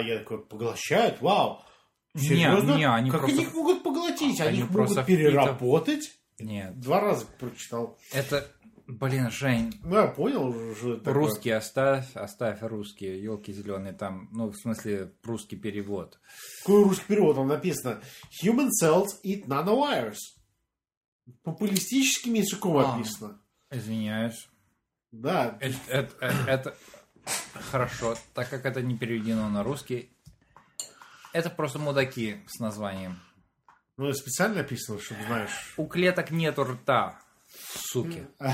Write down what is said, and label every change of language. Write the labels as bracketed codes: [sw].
[ru] Я такой, поглощают? Вау! Серьезно? Не, они как просто... их могут поглотить? Они их просто могут переработать? Нет. Два раза прочитал. Это, блин, Жень. Ну, я понял уже. Русский такое. оставь русский, елки зеленые там, ну, в смысле, русский перевод. Какой русский перевод? Там написано [en] Human cells eat nanowires. [ru] Популистическим языком написано. Извиняюсь. Да. Это хорошо, так как это не переведено на русский. Это просто мудаки с названием. Ну, это специально написано, чтобы знаешь. У клеток нет рта, суки.